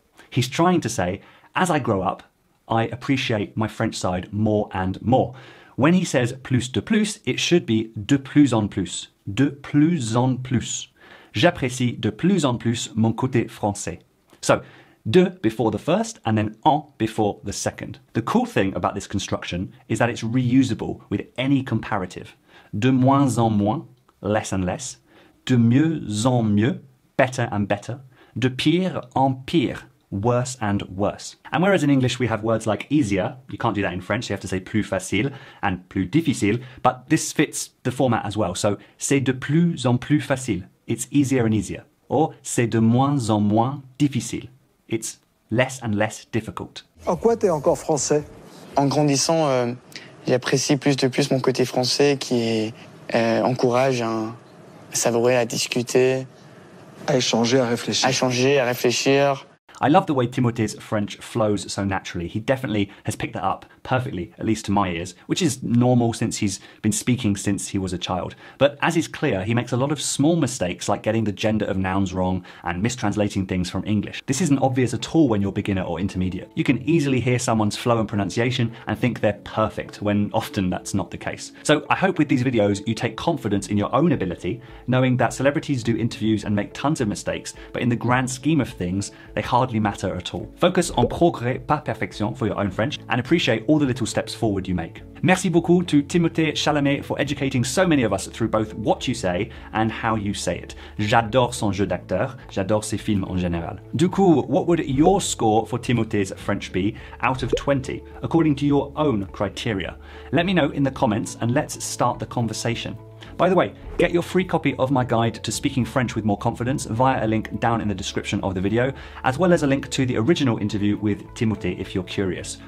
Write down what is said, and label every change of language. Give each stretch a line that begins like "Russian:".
English: He's trying to say, as I grow up, I appreciate my French side more and more. When he says
French: plus de plus,
English: it should be
French: de plus en plus. De plus en plus. J'apprécie de plus en plus mon côté français.
English: So, de before the first, and then en before the second. The cool thing about this construction is that it's reusable with any comparative.
French: De moins en moins,
English: less and less.
French: De mieux en mieux,
English: better and better.
French: De pire en pire,
English: worse and worse. And whereas in English we have words like easier, you can't do that in French, so you have to say
French: plus facile
English: and
French: plus difficile,
English: but this fits the format as well.
French: So c'est de plus en plus facile,
English: it's easier and easier. Or
French: c'est de moins en moins difficile.
English: It's less and less difficult.
French: En quoi t'es encore français? En grandissant, j'apprécie plus de plus mon côté français qui est, encourage à savourer, à discuter. À échanger, à réfléchir. À changer, à réfléchir.
English: I love the way Timothée's French flows so naturally. He definitely has picked that up perfectly, at least to my ears, which is normal since he's been speaking since he was a child. But as is clear, he makes a lot of small mistakes like getting the gender of nouns wrong and mistranslating things from English. This isn't obvious at all when you're beginner or intermediate. You can easily hear someone's flow and pronunciation and think they're perfect, when often that's not the case. So I hope with these videos you take confidence in your own ability, knowing that celebrities do interviews and make tons of mistakes, but in the grand scheme of things, they hardly matter at all. Focus on
French: progrès, pas perfection,
English: for your own French, and appreciate all the little steps forward you make.
French: Merci beaucoup
English: to Timothée Chalamet for educating so many of us through both what you say and how you say it.
French: J'adore son jeu d'acteur, j'adore ses films en général. Du coup,
English: what would your score for Timothée's French be out of 20, according to your own criteria? Let me know in the comments and let's start the conversation. By the way, get your free copy of my guide to speaking French with more confidence via a link down in the description of the video, as well as a link to the original interview with Timothée if you're curious.